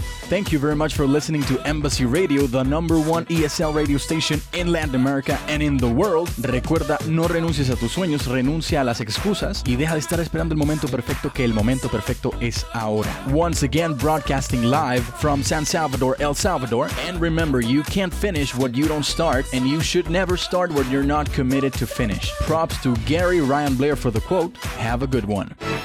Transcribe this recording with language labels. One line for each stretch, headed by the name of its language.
English: Thank you very much for listening to Embassy Radio, the number one ESL radio station in Latin America and in the world.
Spanish: Recuerda, no renuncies a tus sueños, renuncia a las excusas y deja de estar esperando el momento perfecto, que el momento perfecto es ahora.
English: Once again, broadcasting live from San Salvador, El Salvador. And remember, you can't finish what you don't start, and you should never start what you're not committed to finish. Props to Gary Ryan Blair for the quote. Have a good one.